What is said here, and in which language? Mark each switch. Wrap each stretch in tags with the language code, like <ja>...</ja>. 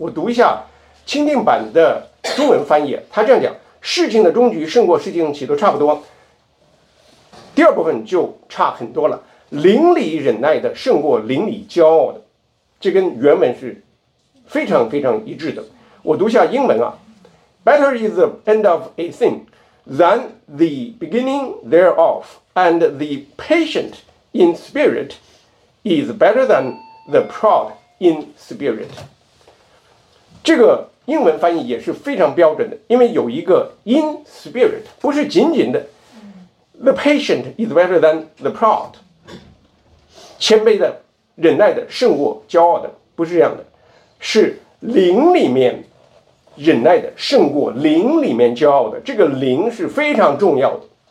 <zh>我读一下钦定版的中文翻译，他这样讲，事情的终局胜过事情起头差不多，第二部分就差很多了，邻里忍耐的胜过邻里骄傲的，这跟原文是非常非常一致的。我读一下英文啊，</zh> <en>Better is the end of a thingthan the beginning thereof, and the patient in spirit is better than the proud in spirit.</en> <zh>这个英文翻译也是非常标准的，因为有一个</zh> <en>in spirit,</en> <zh>不是仅仅的</zh> <en>the patient is better than the proud,</en> <zh>谦卑的忍耐的胜过骄傲的，不是这样的，是灵里面忍耐的胜过灵里面骄傲的，这个灵是非常重要的。</zh>